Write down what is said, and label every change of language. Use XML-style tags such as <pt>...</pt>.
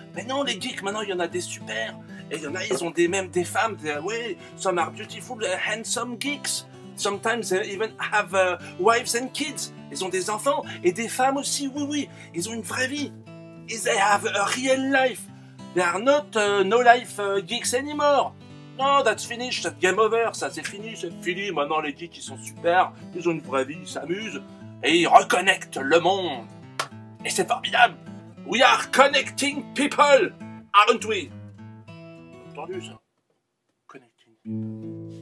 <fr>Mais non, les geeks, maintenant, il y en a des super, et il y en a, ils ont des même des femmes, des, oui,</fr> <en>some are beautiful, handsome geeks. Sometimes they even have wives and kids,</en> <fr>ils ont des enfants, et des femmes aussi, oui, oui, ils ont une vraie vie.</fr> <en>They have a real life, they are not no life geeks anymore.</en> <fr>Non,</fr> <en>that's finished, that's game over,</en> <fr>ça c'est fini, maintenant les geeks ils sont super, ils ont une vraie vie, ils s'amusent, et ils reconnectent le monde, et c'est formidable,</fr> <en>We are connecting people, aren't we?</en> <fr>Entendu ça?</fr> <en>Connecting people.</en>